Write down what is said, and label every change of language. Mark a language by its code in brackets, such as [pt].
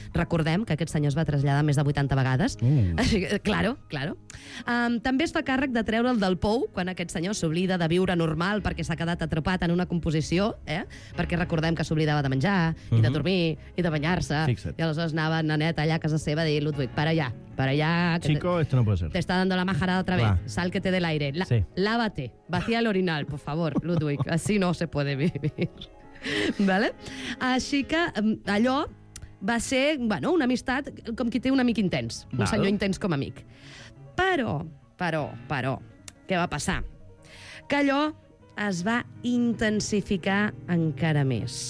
[ca] Recordem que aquest senyor es va traslladar més de 80 vegades. Claro. També es fa càrrec de treure'l del pou quan aquest senyor s'oblida de viure normal perquè s'ha quedat atrapat en una composició, perquè recordem que s'oblidava de menjar i de dormir i de banyar-se. I aleshores anava Nanette allà a casa seva a dir, Ludwig, [es] para allá. Chico, esto no puede ser. Te está dando la majarada otra vez. Sal que te dé el aire. Lávate. Vacía el orinal, por favor, Ludwig. Así no se puede vivir. ¿Vale? [ca] Així que allò va ser, bueno, una amistat com qui té un amic intens. Un senyor intens com amic. Però, què va passar? Que allò es va intensificar encara més.